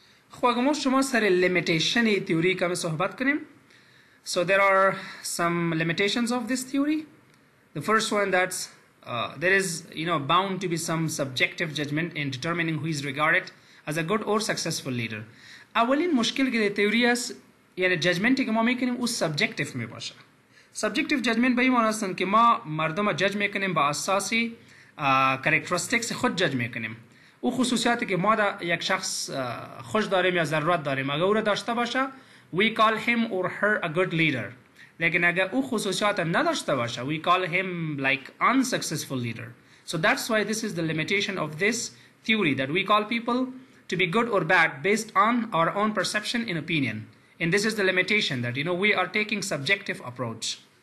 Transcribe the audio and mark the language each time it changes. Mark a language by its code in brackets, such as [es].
[fa] خب اگه ما شما سر لیمیتیشن تیوری کمی صحبت کنیم [en] So there are some limitations of this theory The first one that's there is, you know, bound to be some subjective judgment in determining who is regarded as a good or successful leader. [fa] اولین مشکل که تئوری است یعنی ججمنتی که ما میکنیم او سبجکتیف میباشه. سبجکتیف ججمنت به این معنی است که ما مردم را جج میکنیم با اساسی کریکترستیکس خود جج میکنیم. او خصوصیاتی که ما دا یک شخص خوش داریم یا ضرورت داریم اگر او را داشته باشه [en] we call him or her a good leader. [fa] لیکن اگر او خصوصیات نداشته باشه [en] we call him like unsuccessful leader. So that's why this is the limitation of this theory that we call people to be good or bad based on our own perception and opinion. And this is the limitation that, you know, we are taking subjective approach.